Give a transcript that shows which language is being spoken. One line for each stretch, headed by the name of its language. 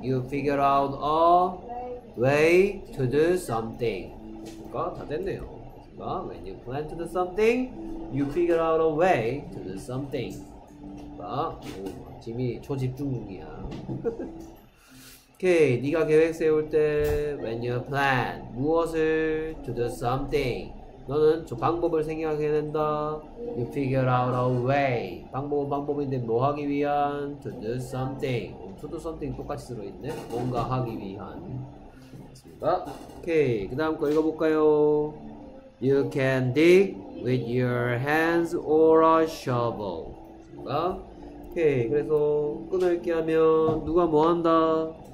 English: You figure out a way to do something.
Korean: 그러니까 다 됐네요.
English: When you plan to do something, you figure out a way to do something.
Korean: 아, 지금이 초집중 중이야. 오케이, 네가 계획 세울 때,
English: when you plan,
Korean: 무엇을
English: to do something.
Korean: 너는 저 방법을 생각해야 된다.
English: You figure out a way.
Korean: 방법은 방법인데 뭐 하기 위한
English: to do something. To do something
Korean: 똑같이 들어있네. 뭔가 하기 위한. 맞습니다. 오케이, 그 다음 거 읽어볼까요?
English: You can dig with your hands or a shovel.
Korean: 그니까? 오케이. 그래서, 끊어읽기 하면, 누가 뭐 한다?